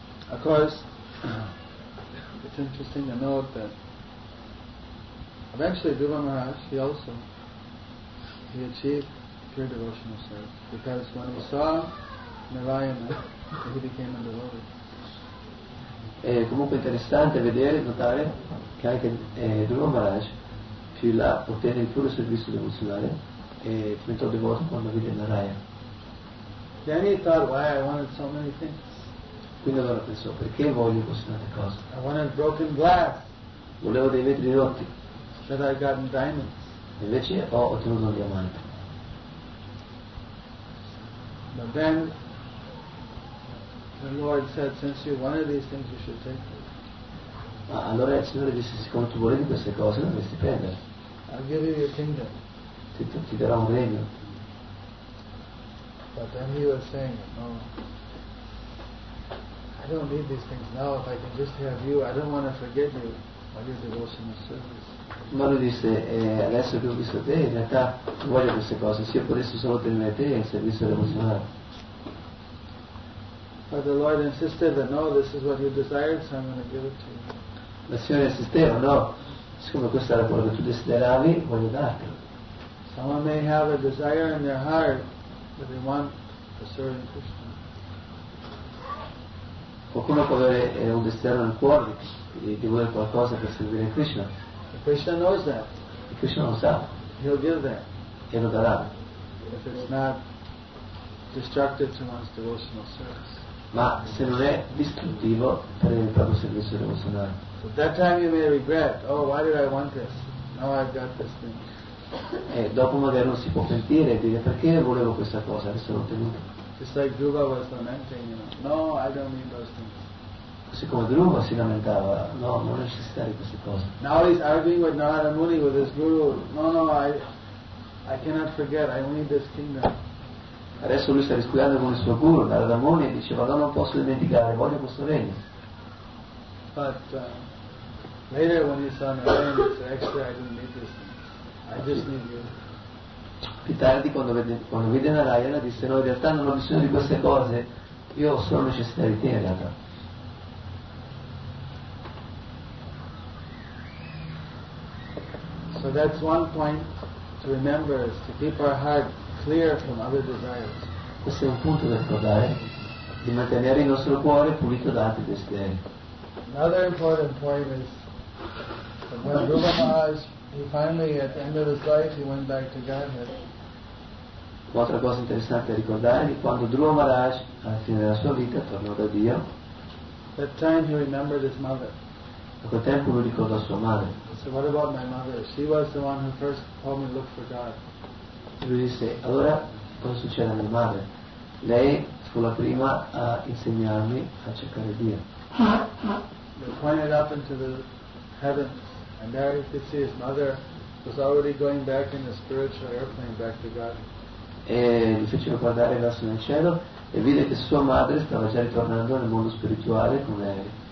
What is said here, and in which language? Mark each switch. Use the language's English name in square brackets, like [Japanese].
[English] Of course, it's interesting to note that eventually Dhruva Maharaj, he achieved pure devotional service, because when he saw Narayana, he became a devotee. [Italian] È comunque interessante vedere e notare che anche Dhruva Maharaj più là ottenne il puro servizio devozionale e diventò devoto quando vide Narayana. [English] Then he thought, why I wanted so many things. [Italian] Quindi allora pensò, perché voglio così tante cose? [English] I wanted broken glass. [Italian] Volevo dei vetri rotti. [English] But I got diamonds. [Italian] Invece ho ottenuto un diamante. [English] But then the Lord said, since you wanted these things, you should take them. [Italian] Ah, allora il Signore disse, siccome tu volevi queste cose, dovresti prendere. [English] I'll give you your kingdom. [Italian] Ti darò un regno. [English] But then he was saying, no, I don't need these things now. If I can just have you, I don't want to forget you while you're devotional service. [Italian] Ma lui disse, adesso che ho visto te, in realtà voglio queste cose. Se io potessi solo tenere te in servizio devozionale. [English] But the Lord insisted that no, this is what you desired, so I'm going to give it to you. [Italian] Ma il Signore insisteva, no, siccome questo era quello che tu desideravi, voglio dartelo. [English] Someone may have a desire in their heart that they want a certain Krishna. [Italian] Qualcuno può avere un desiderio nel cuore di voler qualcosa per servire Krishna. [English] If Krishna knows that. If [Italian] Krishna lo sa. [English] He'll give that. [Italian] E lo darà. [English] If it's not destructive to one's devotional service. [Italian] Ma se non è distruttivo per il proprio servizio devozionale. [English] So at that time you may regret, oh, why did I want this? Now I've got this thing. [Italian] E dopo magari non si può pentire e dire, perché volevo questa cosa, adesso l'ho ottenuta. [English] It's like Dhruva was lamenting, you know. No, I don't need those things. [Italian] Siccome Dhruva si lamentava, no, non necessitare queste cose. [English] Now he's arguing with Narada Muni, with his guru. No, no, I cannot forget. I need this kingdom. [Italian] Adesso lui sta discutendo con il suo guru, Narada Muni, diceva, no, non posso dimenticare, voglio questo regno. [English] But later when he saw Narayana, he said, actually, I don't need this. I just need you. [Italian] Più tardi quando vide Narayana disse, no, in realtà non ho bisogno di queste cose, io ho solo necessità di te in realtà. [English] So that's one point to remember, is to keep our heart clear from other desires. [Italian] Questo è un punto da ricordare, di mantenere il nostro cuore pulito da altri desideri. [English] Another important point is when Dhruva Maharaj, he finally at the end of his life he went back to Godhead. [Italian] Un'altra cosa interessante da ricordare è quando Dhruva Maharaj, alla fine della sua vita, tornò da Dio. [English] That time he remembered his mother. [Italian] A quel tempo lui ricordò sua madre. [English] So what about my mother? She was the one who first told me to look for God. [Italian] lui disse, allora cosa succede a mia madre? Lei fu la prima a insegnarmi a cercare Dio. [English] He pointed up into the heavens, and there he could see his mother was already going back in a spiritual airplane back to God. [Italian] E gli fece guardare verso nel cielo e vide che sua madre stava già ritornando nel mondo spirituale con lei.